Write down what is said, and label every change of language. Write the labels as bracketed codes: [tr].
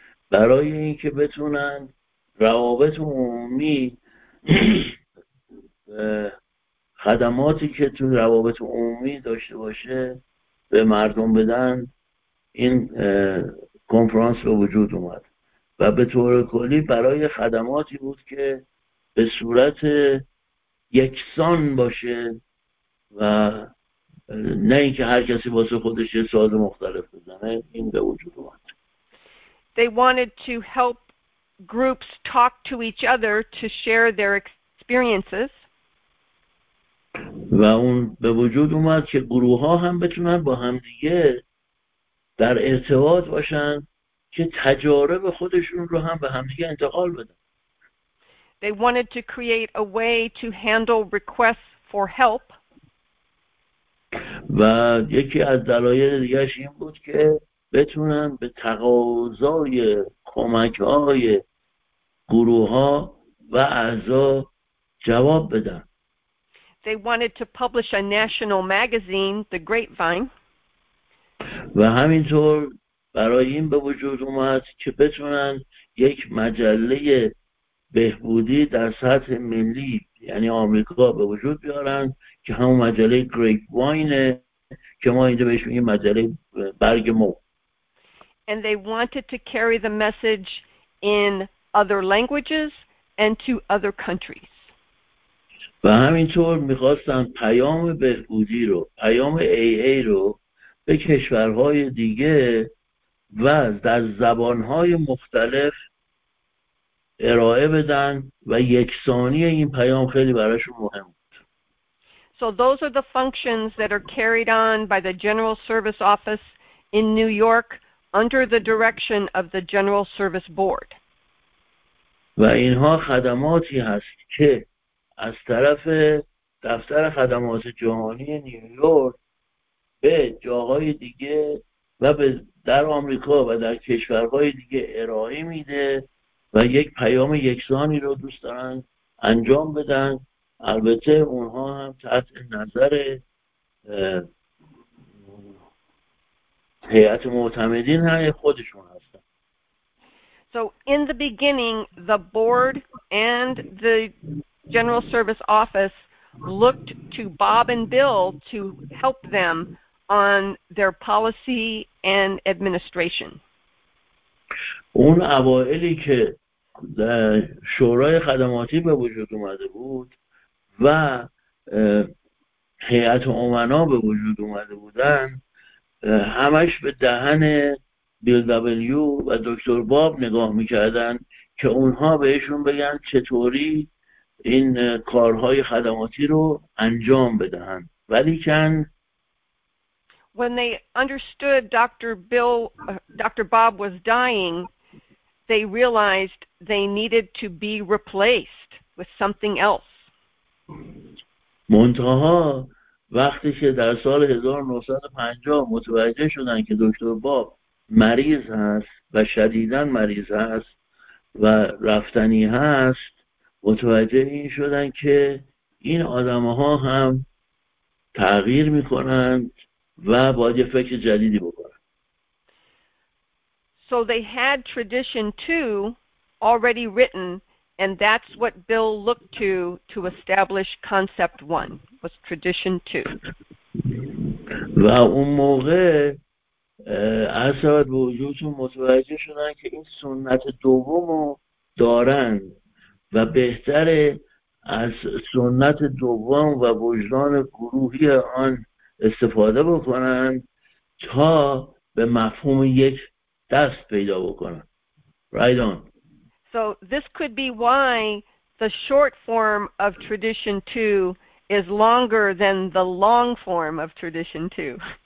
[fa] برای اینکه بتونن روابط عمومی خدماتی که تو روابط عمومی داشته باشه به مردم بدن این کنفرانس به وجود اومد و به طور کلی برای خدماتی بود که به صورت یکسان باشه و نه اینکه هر کسی واسه خودش ساز مختلف بزنه. این به وجود اومد. [en] They wanted to help groups talk to each other to share their experiences. [fa] و اون به وجود اومد که گروه ها هم بتونن با هم دیگه در ارتباط باشن که تجارب خودشون رو هم به همدیگه انتقال بدن. [en] They wanted to create a way to handle requests for help. [fa] و یکی از دلایل دیگه‌اش این بود که بتونن به تقاضای کمک‌های گروه‌ها و اعضا جواب بدن. [en] They wanted to publish a national magazine, The Grapevine. [fa] و همینطور برای این به وجود اومد که بتونن یک مجله بهبودی در سطح ملی یعنی آمریکا به وجود بیارن که همون مجله Grapevine که ما اینجا بهش میگیم مجله برگ مو. [en] And they wanted to carry the message in other languages and to other countries. [fa] و همینطور میخواستن پیام بهبودی رو، پیام AA رو به کشورهای دیگه و در زبانهای مختلف ارائه بدن و یکسانی این پیام خیلی براشون مهم بود. [en] So those are the functions that are carried on by the General Service Office in New York under the direction of the General Service Board. [fa] و اینها خدماتی هست که از طرف دفتر خدمات جهانی نیویورک به جاهای دیگه و به در آمریکا و در کشورهای دیگه ارائه میده و یک پیام یکسانی رو دوست دارن انجام بدن. البته اونها هم تحت نظر هیئت معتمدین های خودشون هستن. [en] So in the beginning the board and the General Service Office looked to Bob and Bill to help them on their policy and administration. [fa] اون اوائلی که در شورای خدماتی به وجود اومده بود و هیئت امنا به وجود اومده بودن همش به دهن بیل دبلیو و دکتر باب نگاه میکردن که اونها بهشون بگن چطوری این کارهای خدماتی رو انجام بدهن. ولیکن [en] When they understood Dr. Bob was dying, they realized they needed to be replaced with something else. [fa] منتها وقتی که در سال 1950 متوجه شدن که دکتر باب مریض هست و شدیداً مریض هست و رفتنی هست، متوجه این شدن که این آدمها هم تغییر می کنند و باید یه فکر جدیدی بکنن. [en] So they had tradition too already written, and that's what Bill looked to establish concept one, was tradition two. [fa] و اون موقع اصلا به وجودشون متوجه شدن که این سنت دوم رو دارن و بهتره از سنت دوم و وجدان گروهی آن استفاده بکنن تا به مفهوم یک دست پیدا بکنن. [en] Right on. So this could be why the short form of tradition two is longer than the long form of tradition two.